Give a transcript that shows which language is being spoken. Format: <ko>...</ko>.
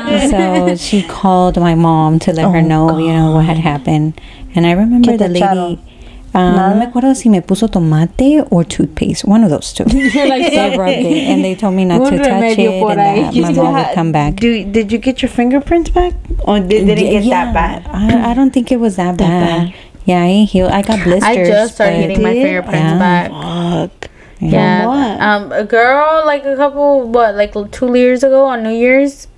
<en>So she called my mom to let her know, God. You know, what had happened. And I remember the lady...</en> <es>No me acuerdo si me puso tomate</es> <en>or toothpaste. One of those two. You're like, so rubbed it, and they told me not to touch it, and that my mom would come back. Did you get your fingerprints back? Or did it get that bad? I don't think it was that bad. Yeah, I ain't healed. I got blisters. I just started getting my fingerprints back. Fuck. Yeah. A girl, like a couple, what, like 2 years ago on New Year's?</en>